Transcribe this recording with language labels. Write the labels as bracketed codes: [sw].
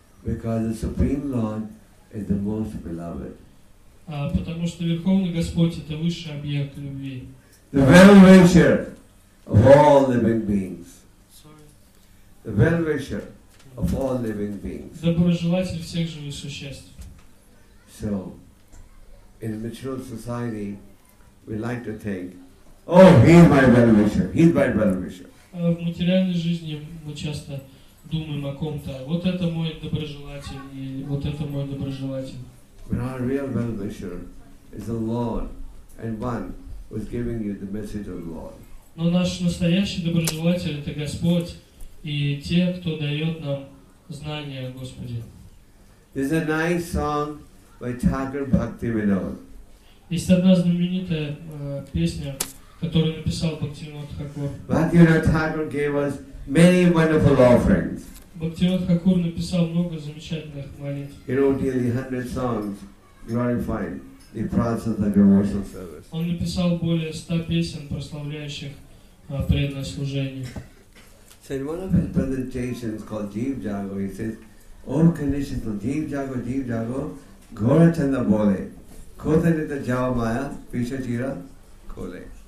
[en] Because the Supreme Lord is the most beloved. [ru] Потому что Верховный Господь это высший объект любви. [en] The well-wisher of all living beings. The well-wisher of all living beings. [ru] Доброжелатель всех живых существ. [en] So, in a mature society, we like to think. Oh, he's my well-wisher. He's my well-wisher. [ru] В материальной жизни мы часто думаем о ком-то. Вот это мой доброжелатель, и вот это мой доброжелатель. [en] But our real well-wisher is the Lord, and one who's giving you the message of the Lord. [ru] Но наш настоящий доброжелатель это Господь и те, кто дает нам знания о Господе. [en] There's a nice song by Thakur Bhaktivinod. [ru] Есть одна знаменитая песня. Который написал Бхактивинод Тхакур. [en] Бхактивинод Тхакур gave us many wonderful offerings. [ru] Бхактивинод Тхакур написал много замечательных молитв. [en] He wrote nearly 100 songs glorifying the process of the devotional service. [ru] Он написал более 100 песен, прославляющих преданное служение. [en] So in one of his presentations called Jeev Jago, he says, O conditions of Jeev Jago, Gora Chanda Bole, Kothanita Java Maya, Pisha Chira, Kole.